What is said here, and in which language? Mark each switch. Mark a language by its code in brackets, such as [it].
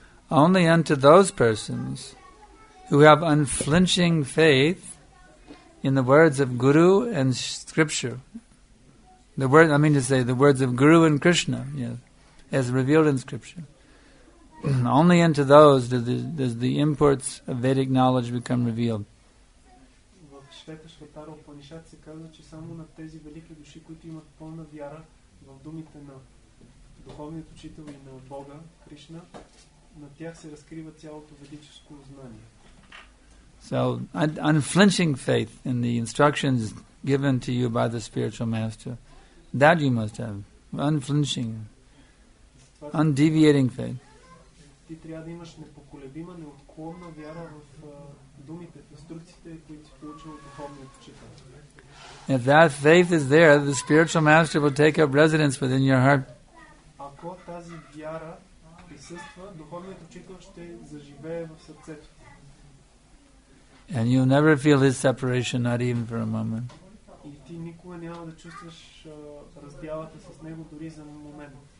[en] Only unto those persons who have unflinching faith in the words of Guru and Scripture. The words of Guru and Krishna, yes, as revealed in Scripture. Only into those does the imports of Vedic knowledge become revealed. [bg] Шветаш Ватара Упанишат се казва, че само на тези велики души, които имат пълна вяра в думите на духовният учител и на Бога, Кришна, на тях се разкрива цялото ведическо знание. [en] So, unflinching faith in the instructions given to you by the spiritual master, that you must have. Unflinching, undeviating faith. [bg] Ти трябва да имаш непоколебима, неотклонна вяра в думите, в инструкциите, които си получил от духовния учител. [en] If that faith is there, the spiritual master will take up residence within your heart. [bg] Ако тази вяра присъства, духовният учител ще заживее в сърцето. [en] And you'll never feel his separation, not even for a moment. [bg] И ти никога няма да чувстваш разделата с него дори за момент.